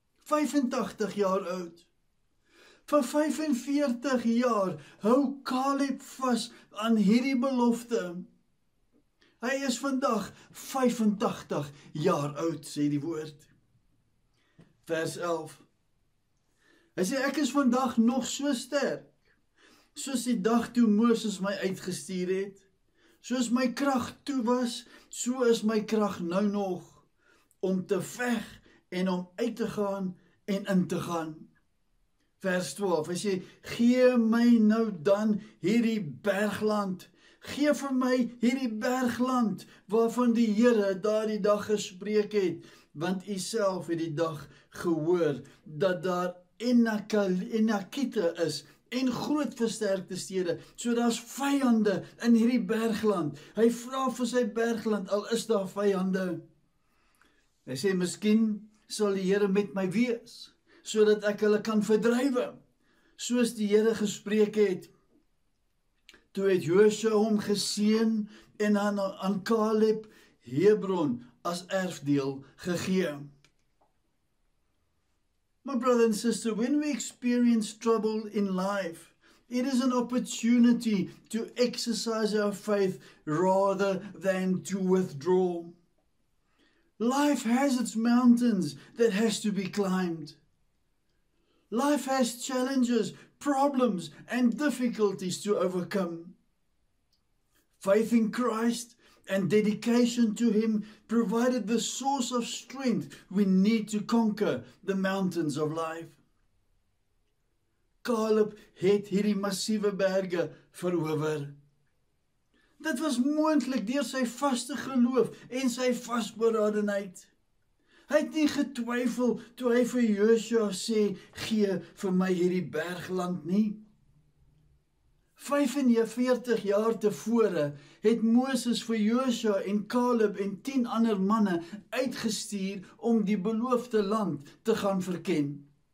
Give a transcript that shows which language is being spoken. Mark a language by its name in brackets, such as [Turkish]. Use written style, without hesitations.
[Afrikaans] 85 jaar oud. Vir 45 jaar hou Caleb vas aan hierdie belofte. Hy is vandag 85 jaar oud, sê die woord. Vers 11. Hy sê, ek is vandag nog so sterk, soos die dag toe Moses my uitgestuur het. Soos my krag toe was, so is my krag nou nog om te veg en om uit te gaan en in te gaan. Vers 12, hy sê, gee my nou dan hierdie bergland. Gee vir my hierdie bergland waarvan die Here daardie dag gespreek het. Want u self het die dag gehoor dat daar Enakite is en groot versterkte stede. So daar's vyande in hierdie bergland. Hy vra vir sy bergland, al is daar vyande. Hy sê, miskien sal die Here met my wees, sodat ek hulle kan verdrywe, soos die Here gespreek het. Toe het Josua hom geseën en aan Kaleb Hebron as erfdeel gegee. [English] My brother and sister, when we experience trouble in life, it is an opportunity to exercise our faith rather than to withdraw. Life has its mountains that has to be climbed. Life has challenges, problems, and difficulties to overcome. Faith in Christ and dedication to Him provided the source of strength we need to conquer the mountains of life. [Afrikaans] Caleb het hierdie massiewe berge verower. Dit was moontlik deur sy vaste geloof en sy vasberadenheid. Hy het nie getwyfel toe hy vir Josua sê, gee vir my hierdie bergland nie. 45 jaar tevore het Moses vir Josua en Caleb en 10 ander manne uitgestuur om die beloofde land te gaan verken.